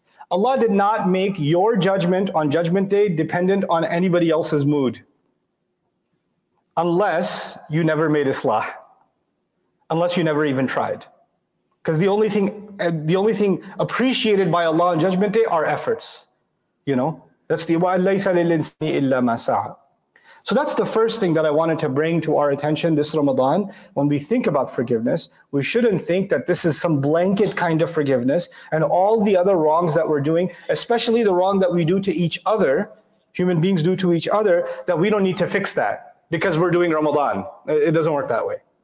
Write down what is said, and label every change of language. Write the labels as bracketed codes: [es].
[en] Allah did not make your judgment on Judgment Day dependent on anybody else's mood. Unless you never made islah. Unless you never even tried. Because the only thing appreciated by Allah on Judgment Day are efforts. You know? That's the [ar] وَاللَّيْسَ لِلْإِنسَانِ إِلَّا مَا سَعَى. [en] So that's the first thing that I wanted to bring to our attention this Ramadan. When we think about forgiveness, we shouldn't think that this is some blanket kind of forgiveness and all the other wrongs that we're doing, especially the wrong that we do to each other, human beings do to each other, that we don't need to fix that because we're doing Ramadan. It doesn't work that way.